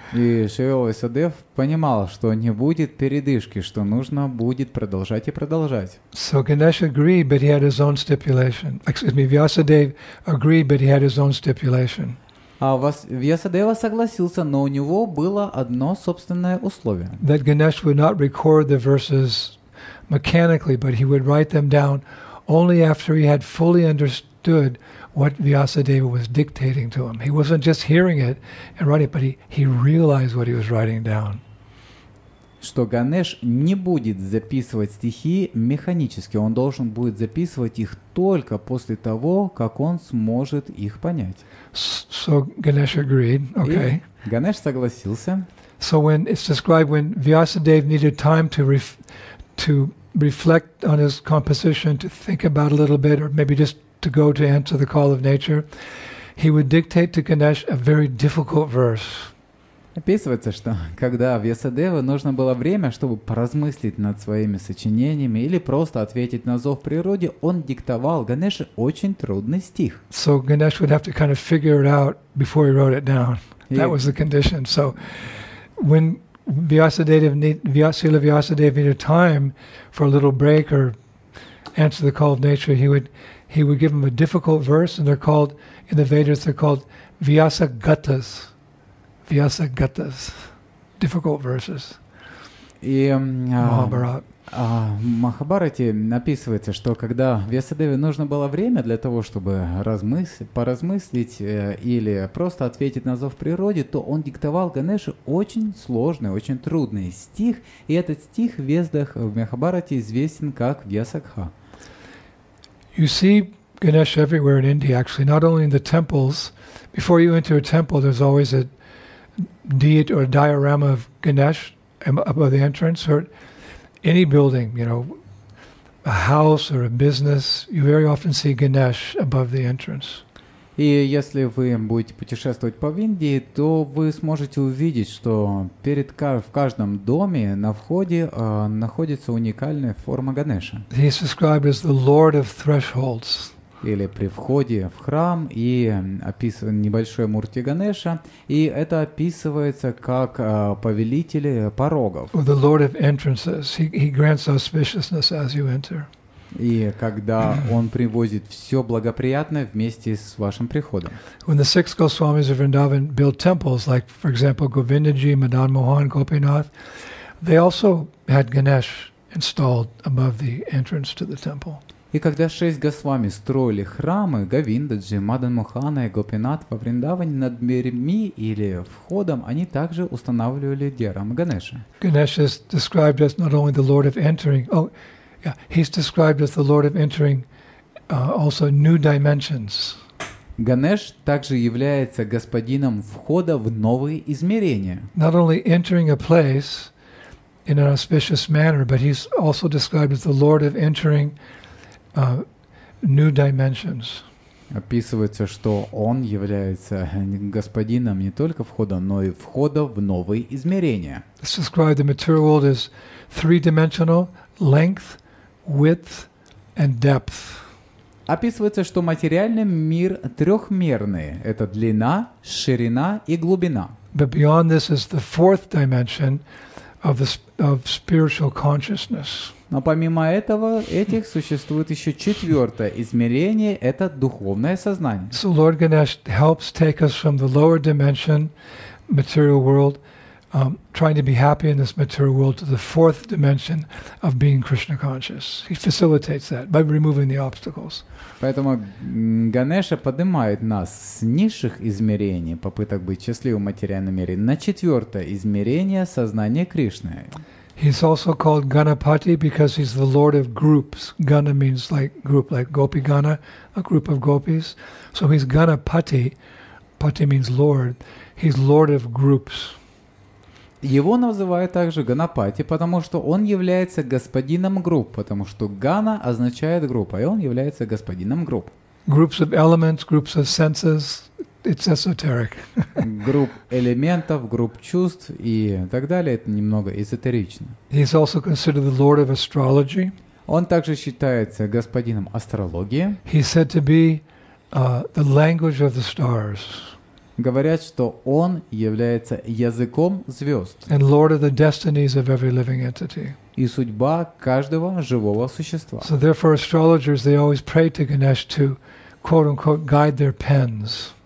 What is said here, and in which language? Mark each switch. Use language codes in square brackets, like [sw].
[ru] И Шрила Вьясадев понимал, что не будет передышки, что нужно будет продолжать и продолжать. [en] So Ganesh agreed, but he had his own stipulation. Excuse me, Vyasadeva agreed, but he had his own stipulation. [ru] А Вьясадева согласился, но у него было одно собственное условие. [en] That Ganesh would not record the verses mechanically, but he would write them down only after he had fully understood what Vyasadeva was dictating to him. He wasn't just hearing it and writing it, but he realized what he was writing down. [ru] Что Ганеш не будет записывать стихи механически. Он должен будет записывать их только после того, как он сможет их понять. [en] So Ganesh agreed. Okay. [ru] И Ганеш согласился. [en] So when it's described when Vyasadeva needed time to reflect on his composition, to think about a little bit, or maybe just to go to answer the call of nature, he would dictate to Ganesh a very difficult verse. [ru] Описывается, что когда Вьясадеве нужно было время, чтобы поразмыслить над своими сочинениями или просто ответить на зов природы, он диктовал Ганеше очень трудный стих. [en] So Ganesh would have to kind of figure it out before he wrote it down. That was the condition. So when Vyasadeva needed time for a little break or answer the call of nature, he would give him a difficult verse, and they're called in the Vedas they're called Vyasagatas. Vyasa Gatas, difficult verses. [ru] И Махабарате написывается, что когда Вьясадеве нужно было время для того, чтобы поразмыслить или просто ответить на зов природы, то он диктовал Ганеше очень сложный, очень трудный стих, и этот стих в Вездах в Махабарате известен как Вьясагха. [en] You see Ganesh everywhere in India, actually, not only in the temples. Before you enter a temple, there's always a deity or diorama of Ganesh above the entrance, or any building, you know, a house or a business, you very often see Ganesh above the entrance. [ru] И если вы будете путешествовать по Индии, то вы сможете увидеть, что в каждом доме на входе находится уникальная форма Ганеша. [en] He is described as the Lord of Thresholds. [ru] Или при входе в храм и описывает небольшой мурти Ганеша, и это описывается как повелитель порогов. [en] The Lord of entrances, he grants auspiciousness as you enter. [ru] И когда он привозит все благоприятное вместе с вашим приходом. [en] When the six Goswamis of Vrindavan built temples, like, for example, Govindaji, Madan Mohan, Gopinath, they also had Ganesh installed above the entrance to the temple. [ru] И когда шесть Госвами строили храмы, Говиндаджи, Мадан Мохана и Гопинат во Вриндаване над дверьми или входом, они также устанавливали диораму Ганеша. [en] Ганеш is described as not only the Lord of entering, he's described as the Lord of entering also new dimensions. [ru] Ганеш также является господином входа в новые измерения. [en] Not only entering a place in an auspicious manner, but he's also described as the Lord of entering new dimensions. [ru] Описывается, что он является господином не только входа, но и входа в новые измерения. [en] It's described the material world as three-dimensional: length, width, and depth. [ru] описывается, что материальный мир трехмерный. Это длина, ширина и глубина. [en] But beyond this is the fourth dimension of the spiritual consciousness. [ru] Но помимо этого, этих существует еще четвертое измерение – это духовное сознание. [en] So Lord Ganesh helps take us from the lower dimension, material world, trying to be happy in this material world, to the fourth dimension of being Krishna conscious. He facilitates that by removing the obstacles. [ru] Поэтому Ганеша поднимает нас с низших измерений, попыток быть счастливым в материальном мире, на четвертое измерение сознания Кришны. [en] He's also called Ganapati because he's the lord of groups. Gana means like group, like Gopi Gana, a group of gopis. So he's Ganapati. Pati means lord. He's lord of groups. [ru] Его называют также Ганапати, потому что он является господином групп, потому что Гана означает группа, и он является господином групп. [en] Groups of elements, groups of senses. It's esoteric. [ru] Групп элементов, групп чувств и так далее. Это немного эзотерично. [en] He's also considered the lord of astrology. [ru] Он также считается господином астрологии. [en] He's said to be the language of the stars. [ru] Говорят, что он является языком звезд. [en] And lord of the destinies of every living entity. [ru] И судьба каждого живого существа. [en] So therefore, astrologers, they always pray to Ganesh to, quote-unquote, guide their pens.